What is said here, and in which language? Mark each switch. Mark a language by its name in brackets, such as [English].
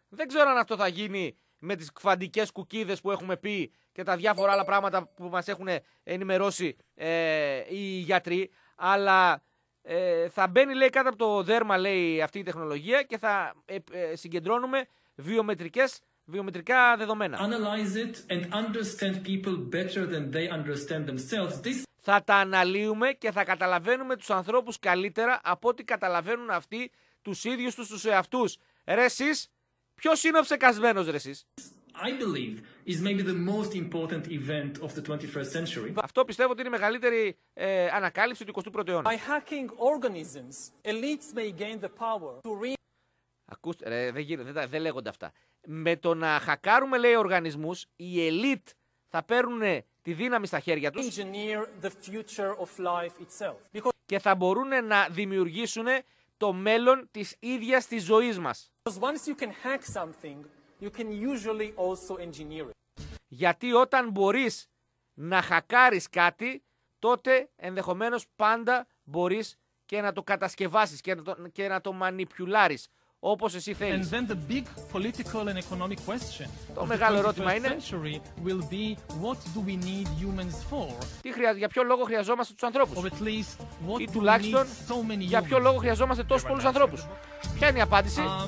[Greek] Δεν ξέρω αν αυτό θα γίνει με τις κβαντικές κουκίδες που έχουμε πει και τα διάφορα άλλα πράγματα που μας έχουν ενημερώσει οι γιατροί, αλλά θα μπαίνει, λέει, κάτω από το δέρμα, λέει, αυτή η τεχνολογία και θα συγκεντρώνουμε βιομετρικά δεδομένα. [English] Analyze it and understand people better than they understand themselves. This... [Greek] Θα τα αναλύουμε και θα καταλαβαίνουμε τους ανθρώπους καλύτερα από ό,τι καταλαβαίνουν αυτοί τους ίδιους τους εαυτούς. Ρε εσείς, ποιος είναι ο ψεκασμένος, ρε εσείς. [English] I believe is maybe the most important event of the 21st century. [Greek] Αυτό πιστεύω ότι είναι η μεγαλύτερη ανακάλυψη του 21ου αιώνα. [English] By hacking organisms, elites may gain the power to re... [Greek] Ακούστε, ρε, δεν λέγονται αυτά. Με το να χακάρουμε, λέει, οργανισμούς, οι elite θα παίρνουν τη δύναμη στα χέρια τους. [English] Engineer the future of life itself. Because... [Greek] Και θα μπορούν να δημιουργήσουν το μέλλον της ίδιας της ζωής μας. [English] Because once you can hack something, you can usually also engineer it. [Greek] Γιατί όταν μπορείς να χακάρεις κάτι, τότε ενδεχομένως πάντα μπορείς και να το κατασκευάσεις και να το μανιπιουλάρεις όπως εσύ θέλεις. [English] And then the big political and economic question. [Greek] Το μεγάλο ερώτημα είναι, [English] will be, what do we need humans for? [Greek] Για ποιο λόγο χρειαζόμαστε τους ανθρώπους? [English] Or at least, what [Greek] ή τουλάχιστον, [English] so many [Greek] για ποιο λόγο χρειαζόμαστε τόσους πολλούς ανθρώπους? Ποια είναι η απάντηση?